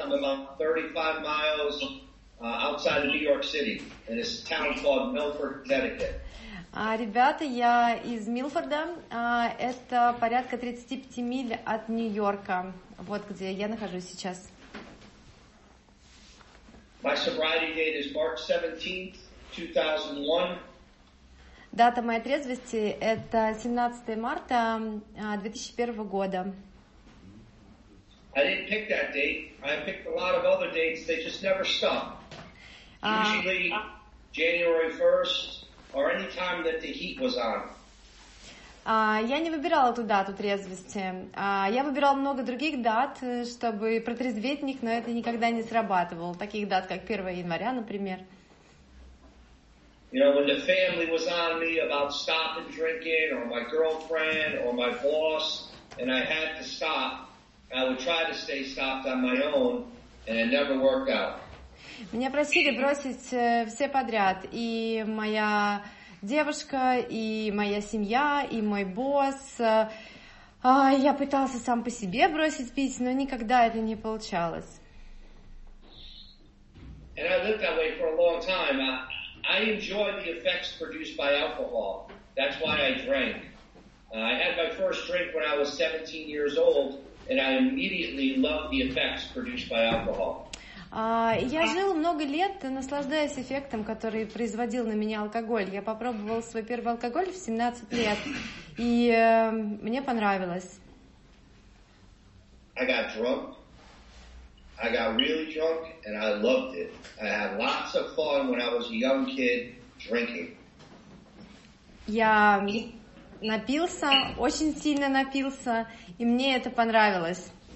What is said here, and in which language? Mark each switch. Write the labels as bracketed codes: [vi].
[en] I'm about 35 miles outside of New York City, in this town called Milford, Connecticut. [ru] Ребята, я из Милфорда. Это порядка 35 миль от Нью-Йорка. Вот где я нахожусь сейчас. [en] My sobriety date is March 17th, 2001. [ru] Дата моей трезвости — это 17 марта 2001 года. [en] I didn't pick that date. I picked a lot of other dates. They just never stop. Usually January 1st or any time that the heat was on. [ru] Я не выбирала эту дату трезвости. Я выбирала много других дат, чтобы протрезветь них, но это никогда не срабатывало. Таких дат, как 1 января, например. [en] You know, when the family was on me about stopping drinking, or my girlfriend, or my boss, and I had to stop, I would try to stay stopped on my own, and it never worked out. [ru] Меня просили бросить все подряд, и моя девушка, и моя семья, и мой босс. Я пытался сам по себе бросить пить, но никогда это не получалось. [en] And I lived that way for a long time. I enjoyed the effects produced by alcohol. That's why I drank. I had my first drink when I was 17 years old, and I immediately loved the effects produced by alcohol. [ru] Я жил много лет, наслаждаясь эффектом, который производил на меня алкоголь. Я попробовал свой первый алкоголь в 17 лет, и мне понравилось. [en] I got drunk. I got really drunk, and I loved it. I had lots of fun when I was a young kid drinking. [ru] Я напился, очень сильно напился, и мне это понравилось.